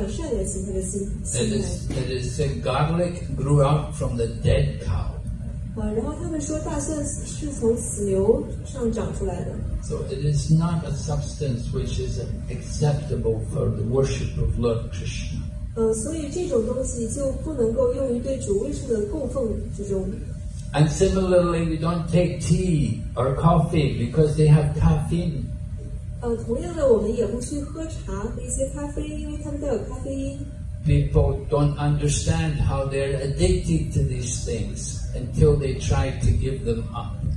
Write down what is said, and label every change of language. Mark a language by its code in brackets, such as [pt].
[en] It is said garlic grew up from the dead cow. [zh] 然后他们说大蒜是从死牛上长出来的。 [en] So it is not a substance which is acceptable for the worship of Lord Krishna. [zh] 所以这种东西就不能够用于对主位数的供奉之中。 [en] And similarly, we don't take tea or coffee because they have caffeine. [zh] 同样的，我们也不去喝茶和一些咖啡，因为它们带有咖啡因。 [en] People don't understand how they're addicted to these things until they try to give them up.